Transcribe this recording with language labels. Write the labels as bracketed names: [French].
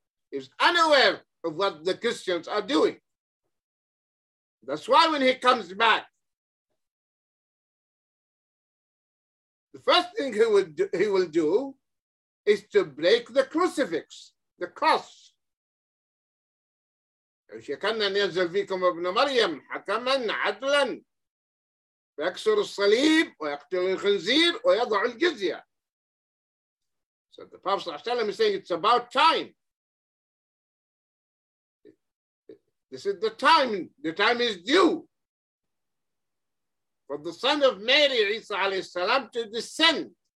[English] He's unaware of what the Christians are doing. That's why when he comes back, first thing he will do is to break the crucifix, the cross. [Arabic] شكنا نزل فيكم ابن مريم حكما عدلا فيكسر الصليب ويقتل الخنزير ويضع الجزية. [English] So the Prophet صلى الله عليه وسلم is saying it's about time. This is the time. The time is due for the son of Mary, Isa عليه السلام, to descend.